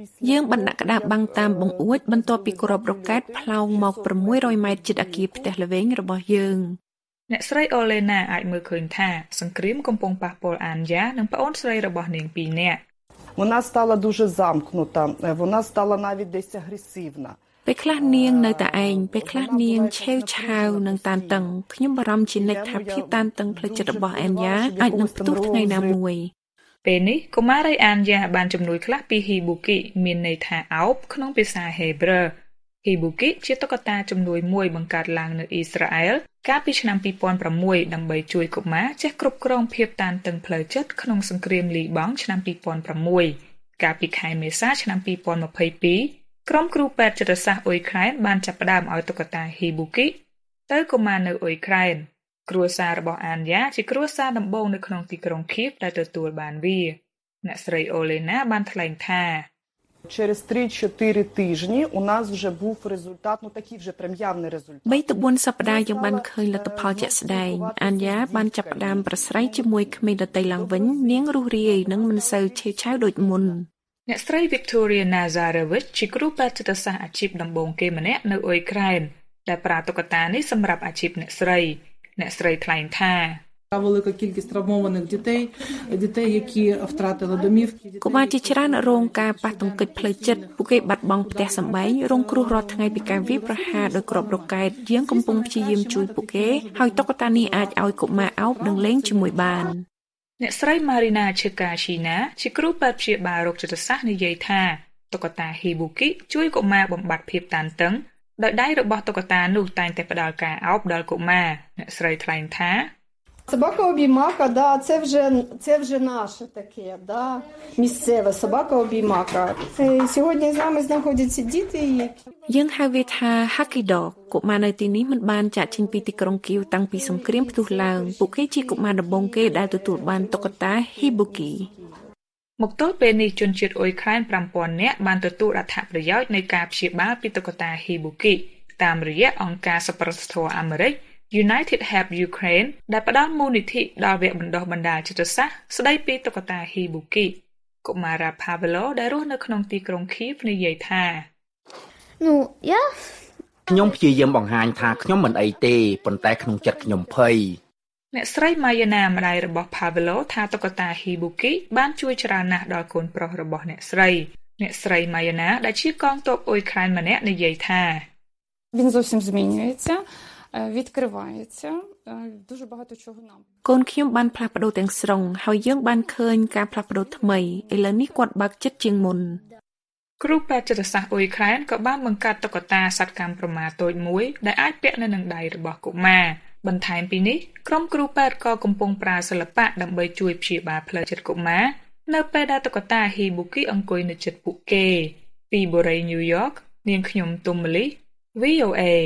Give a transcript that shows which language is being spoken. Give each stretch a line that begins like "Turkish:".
Khmer: យើងបានដាក់ក្តារបាំងតាមបង្អួចបន្ទាប់ពីគ្រាប់រ៉ុកកែតផ្លោងមក600ម៉ែត្រជិតអាគារផ្ទះល្វែងរបស់យើង អ្នកស្រីអូលេណាអាចមើលឃើញថាសង្គ្រាមកំពុងប៉ះពាល់អានយ៉ានិងប្អូនស្រីរបស់នាងពីរនាក់
Ukrainian: Вона стала дуже замкнута. Вона стала навіть десь агресивна.
Khmer: ពេលខ្លះនាងនៅតែឯងពេលខ្លះនាងឆេវឆាវនិងតានតឹងខ្ញុំបារម្ភជានិច្ចថាភាពតានតឹងផ្លូវចិត្តរបស់អានយ៉ាអាចនឹងផ្ទុះថ្ងៃណាមួយ ពេលនេះកុមារីអានយ៉ាបានជំនួយខ្លះពីហ៊ីប៊ូគីមានន័យថាអោបក្នុងភាសាហេប្រឺហ៊ីប៊ូគីជាតុក្កតាជំនួយមួយបង្កើតឡើងនៅអ៊ីស្រាអែលកាលពីឆ្នាំ2006ដើម្បីជួយកុមារចេះគ្រប់គ្រងភាពតានតឹងផ្លូវចិត្តក្នុងសង្គ្រាមលីបង់ឆ្នាំ 2006កាលពីខែមេសាឆ្នាំ2022ក្រុមគ្រូពេទ្យចិត្តសាស្ត្រអ៊ុយក្រែនបានចាប់ផ្តើមឲ្យតុក្កតាហ៊ីប៊ូគីទៅកុមារនៅអ៊ុយក្រែនគ្រួសាររបស់អានយ៉ាជាគ្រួសារដំបូងនៅក្នុងទីក្រុងឃីវដែលទទួលបានវាអ្នកស្រីអូលេណាបានថ្លែងថា
Ukrainian: chчерез 3-4 тижні у нас вже був результат, ну такий вже прям явний результат.
Khmer: បីទៅបួនសប្តាហ៍យើងបានឃើញលទ្ធផលជាក់ស្ដែងអានយ៉ាបានចាប់ផ្ដើមប្រស្រ័យជាមួយគ្មីដតៃឡើងវិញនាងរស់រាយនិងមិនសូវឆេវឆាវដូចមុន អ្នកស្រី Victoria Nazarovich ជាគ្រូពេទ្យចិត្តសាស្ត្រអាជីពដំបូងគេម្នាក់នៅអ៊ុយក្រែនដែលប្រាតុកតានេះសម្រាប់អាជីពអ្នកស្រីអ្នកស្រីថ្លែងថា កុមារគិលគិស្ត្រមោនងជតេដេតេយគីអ្វត្រាតឡដូមីវ កុមារជាច្រើនរងការប៉ះទង្គិចផ្លូវចិត្តពួកគេបាត់បង់ផ្ទះសម្បែងរងគ្រោះរាល់ថ្ងៃពីការវាយប្រហារដោយគ្រាប់រ៉ុកកែតយើងកំពុងព្យាយាមជួយពួកគេហើយតុក្កតានេះអាចឲ្យកុមារអោបនិងលេងជាមួយបាន អ្នកស្រី Marina Chekashina ជាគ្រូពេទ្យព្យាបាលរោគចិត្តសាស្ត្រនិយាយថាតុក្កតា Hibuki ជួយកុមារបំបាត់ភាពតានតឹងដោយដៃរបស់តុក្កតានោះតែងតែផ្ដល់ការអោបដល់កុមារអ្នកស្រីថ្លែងថា
Ukrainian: Sobaka obimaka, да, це вже наше таке, да, місцеве собака обімака. Це сьогодні з нами знаходяться діти, які
Khmer: យើងហៅវាថា Hockey Dog កុមារនៅទីនេះមិនបានចាក់ចេញពីទីក្រុងគីវតាំងពីសង្គ្រាមផ្ទុះឡើងពួកគេជាកុមារដំបងគេដែលទទួលបានតុក្កតា Hibuki. មកទល់ពេលនេះជនជាតិអ៊ុយក្រែន 5,000 នាក់បានទទួលអត្ថប្រយោជន៍នៃការព្យាបាលពីតុក្កតា Hibuki តាមរយៈអង្គការសប្បុរសធម៌អាមេរិកUnited Help Ukraine ដែលផ្ដល់មូលនិធិដល់វគ្គបណ្ដុះបណ្ដាលចិត្តសាស្ត្រស្ដីពីតុក្កតា Hibuki កុមារា Pavlo ដែលរស់នៅក្នុងទីក្រុងឃីវនិយាយថា ខ្ញុំព្យាយាមបង្ហាញថាខ្ញុំមិនអីទេប៉ុន្តែក្នុងចិត្តខ្ញុំភ័យ អ្នកស្រី Mayana ម្ដាយរបស់ Pavlo ថាតុក្កតា Hibuki បានជួយច្រើនណាស់ដល់កូនប្រុសរបស់អ្នកស្រីអ្នកស្រី Mayana ដែលជាកងទ័ពអ៊ុយក្រែនម្នាក់និយាយថា វាសុខសម្រួលហើយចា
Ukrainian: відкривається, дуже багато чого нам.
Khmer: កូនខ្ញុំបានផ្លាស់ប្ដូរទាំងស្រុងហើយយើងបានឃើញការផ្លាស់ប្ដូរថ្មីឥឡូវនេះគាត់បើកចិត្តជាងមុន គ្រូពេទ្យចិត្តសាស្ត្រអ៊ុយក្រែនក៏បានបង្កើតតុក្កតាសត្វកម្មប្រមាតូចមួយដែលអាចពាក់នៅនឹងដៃរបស់កុមារបន្ថែមពីនេះក្រុមគ្រូពេទ្យក៏កំពុងប្រើសិល្បៈដើម្បីជួយព្យាបាលផ្លូវចិត្តកុមារនៅពេលដែលតុក្កតាហ៊ីប៊ូគីអង្គុយនៅជិតពួកគេពីបូរីញូវយ៉កនាងខ្ញុំទុំម៉ាលី VOA